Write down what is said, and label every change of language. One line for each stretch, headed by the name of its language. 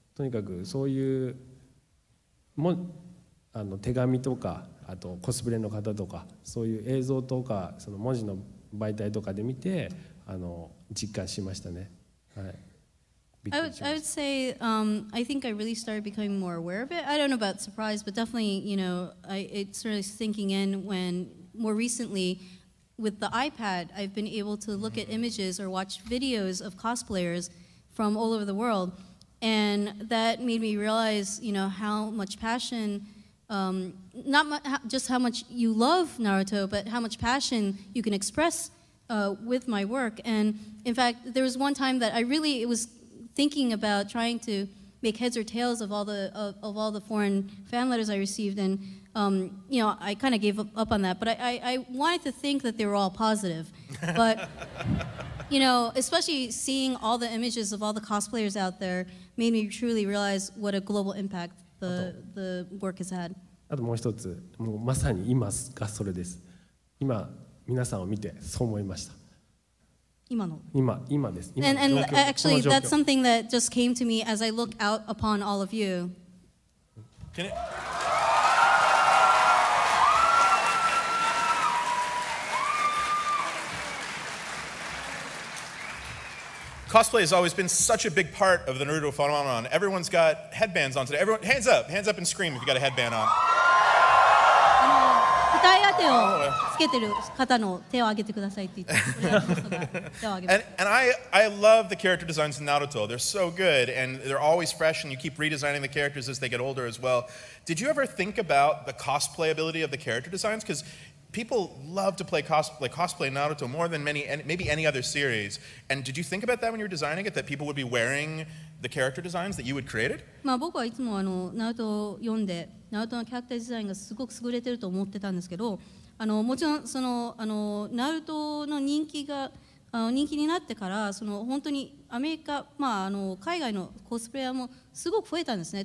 Japanese: とにかくそういうも、あの、手紙とか、あとコスプレの方とか、そういう映像とか、その文字の媒体とかで見て、あの、実感しましたね。はい。
English: I would say I think I really started becoming more aware of it. I don't know about surprise, but definitely, you know, it's really sinking in when more recently with the iPad, I've been able to look at images or watch videos of cosplayers from all over the world. And that made me realize, you know, how much passion, not just how much you love Naruto, but how much passion you can express with my work. And in fact, there was one time that I was thinking about trying to make heads or tails of all the foreign fan letters I received, and you know, I kind of gave up on that. But I wanted to think that they were all positive. But you know, especially seeing all the images of all the cosplayers out there made me truly realize what a global impact the work has had.
Japanese: あともう一つ、もうまさに今がそれです。今皆さんを見てそう思いました。今です。今、
English: and actually, that's something that just came to me as I look out upon all of you. Cosplay has always been such a big part of the Naruto phenomenon. Everyone's got headbands on today. Everyone, hands up and scream if you got a headband on.
Japanese: 舞台当てをつけてる方の手を挙げてくださいって言って、手を挙げます。
English: And I love the character designs in Naruto. They're so good, and they're always fresh, and you keep redesigning the characters as they get older as well. Did you ever think about the cosplayability of the character designs? Because people love to play cosplay Naruto more than maybe any other series. And did you think about that when you were designing it, that people would be wearing the character designs that you had created?
Japanese: まあ僕はいつもあの、Naruto を読んで、Naruto のキャラクターデザインがすごく優れてると思ってたんですけど、あの、もちろんその、あの、Naruto の人気が、あの、人気になってから、その、本当にアメリカ、まあ、あの、海外のコスプレイヤーもすごく増えたんですね。